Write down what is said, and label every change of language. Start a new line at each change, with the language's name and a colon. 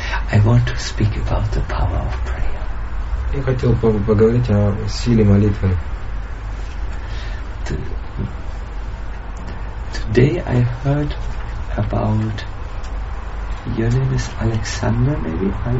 English: I want to speak about the power of prayer.
Russian: Я хотел поговорить о силе молитвы.
English: Today I heard about your name is Alexander, maybe?